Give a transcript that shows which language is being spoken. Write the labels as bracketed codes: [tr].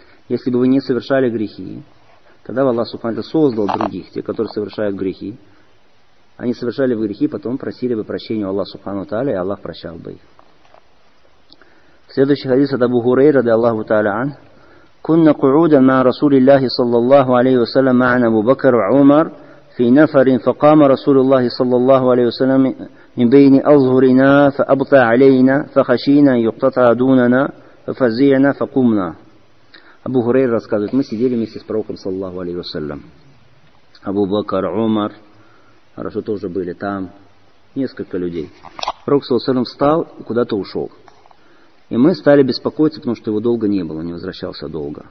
[ru] Если бы вы не совершали грехи, тогда бы Аллах Субхану Тааля создал других, те, которые совершают грехи. Они совершали грехи, потом просили бы прощения у Аллаха Субхану Тааля, и Аллах прощал бы их. Следующий хадис от Абу Хурейра, ради Аллаху Тааля ан. [ar] «Кунна куруда ма Расулиллахи, саллаллаху алейхи ва саллям, ма'ана Абу Бакр ва Умар». في نفر فقام رسول الله صلى الله عليه وسلم من بين أظهرنا فأبطى علينا فخشينا يقتطع دوننا ففزعنا فقمنا. [ru] أبو هريرة рассказывает, мы сидели вместе с пророком صلى الله عليه وسلم. Абу Бакр, Умар, хорошо, тоже были там, несколько людей. Пророк صلى الله عليه وسلم встал и куда-то ушел. И мы стали беспокоиться, потому что его долго не было, не возвращался долго.